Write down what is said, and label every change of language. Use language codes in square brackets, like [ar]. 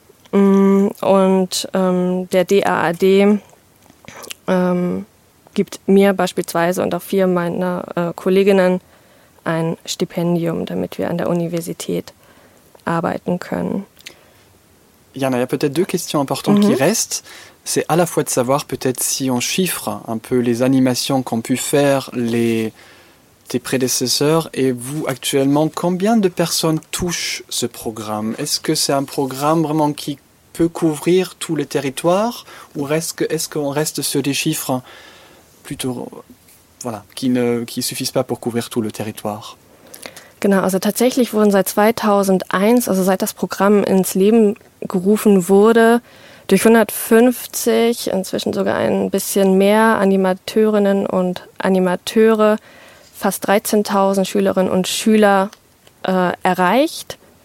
[de] Und der DAAD gibt mir beispielsweise und auch vier meiner Kolleginnen ein Stipendium, damit wir an der Universität arbeiten können. [fr] Il y a peut-être deux questions importantes qui restent. C'est à la fois de savoir peut-être si on chiffre un peu les animations qu'ont pu faire tes prédécesseurs et vous actuellement, combien de personnes touchent ce programme? Est-ce que c'est un programme vraiment qui peut couvrir tous les territoires ou est-ce qu'on reste sur des chiffres plutôt qui suffisent pas pour couvrir tout le territoire? [de] Genau, also tatsächlich wurden seit 2001, also seit das Programm ins Leben gerufen wurde, durch 150, inzwischen sogar ein bisschen mehr Animateurinnen und Animateure, fast 13.000 Schülerinnen und Schüler erreicht.